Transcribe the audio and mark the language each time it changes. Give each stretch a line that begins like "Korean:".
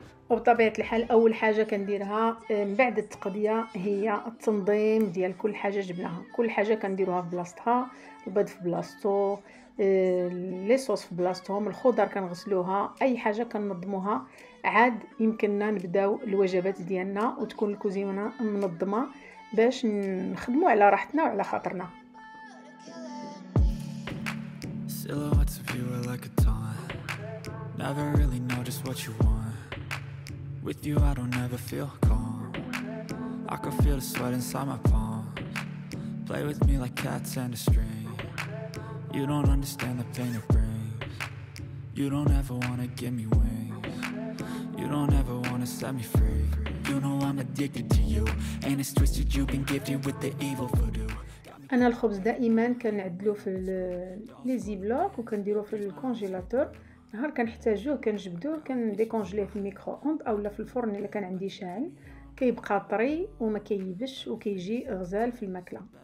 Arabic: وبطبيعه الحال اول حاجه كنديرها من بعد التقضيه هي التنظيم ديال كل حاجه جبناها كل حاجه كنديروها في بلاصتها البيض في بلاصتو لي صوص في بلاصتهم الخضر كنغسلوها اي حاجه كننظموها عاد يمكننا نبداو الوجبات ديالنا وتكون الكوزينه منظمه باش نخدمو على راحتنا وعلى خاطرنا.
English: Silhouettes of you are like a taunt. Never really know just what you want. With you, I don't ever feel calm. I can feel the sweat inside my palms. Play with me like cats and a string. You don't understand the pain it brings. You don't ever wanna give me wings. You don't ever wanna set me free. You know I'm addicted to you. And it's twisted, you've been gifted with the evil voodoo.
Arabic: انا الخبز دائما كنعدلو في لي زيبلوك وكنديرو في الكونجيلاتور نهار كنحتاجوه كنجبدوه كنديكونجليه في الميكرو اوند او لا في الفرن الا كان عندي شاعل، كيبقى طري وما كيبش وكيجي غزال في الماكله.